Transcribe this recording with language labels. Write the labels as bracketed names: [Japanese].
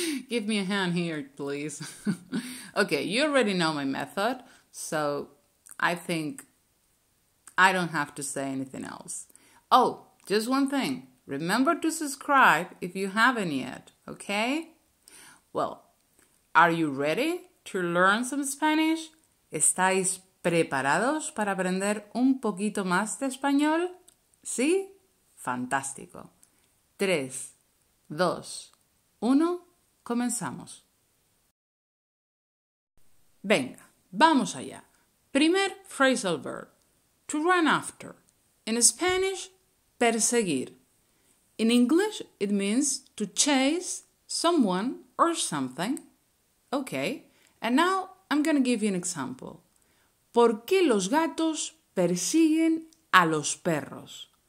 [English] Give me a hand here, please. Okay, you already know my method, so I think I don't have to say anything else. Oh, just one thing. Remember to subscribe if you haven't yet, okay? Well, are you ready to learn some Spanish? [Spanish] ¿Estáis preparados para aprender un poquito más de español? ¿Sí? Fantástico. 3, 2, 1, comenzamos. Venga, vamos allá. Primer phrasal verb. [English] To run after. In Spanish, perseguir. In English, it means to chase someone or something. Okay, and now I'm gonna give you an example. [Spanish] ¿Por qué los gatos persiguen a los perros?